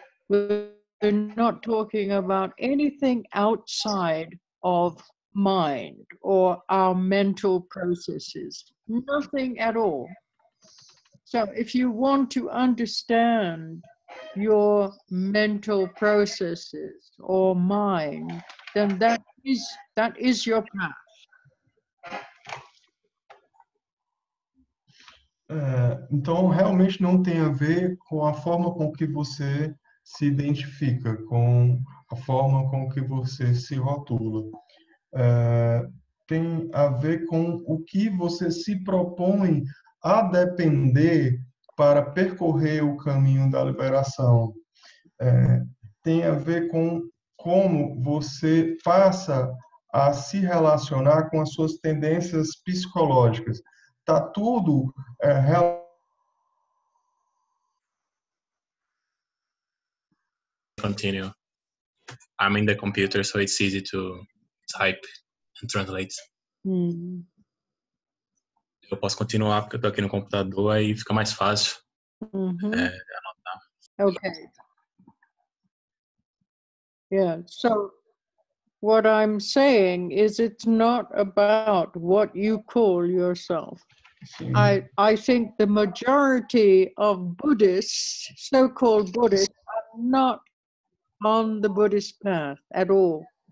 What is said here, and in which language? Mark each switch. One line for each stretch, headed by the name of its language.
English: We're not talking about anything outside of mind or our mental processes. Nothing at all. So if you want to understand your mental processes or mind, then that is your path.
Portuguese: Então, realmente não tem a ver com a forma com que você se identifica, com a forma com que você se rotula. Tem a ver com o que você se propõe a depender para percorrer o caminho da liberação. Tem a ver com como você passa a se relacionar com as suas tendências psicológicas. Está tudo
English: Continue. I'm in the computer, so it's easy to type and translate. Mm-hmm.
Portuguese: Eu posso continuar porque eu estou aqui no computador, aí fica mais fácil.
English: Mm-hmm. Okay. Yeah, so what I'm saying is it's not about what you call yourself. I think the majority of Buddhists, so-called Buddhists, are not on the Buddhist path at all.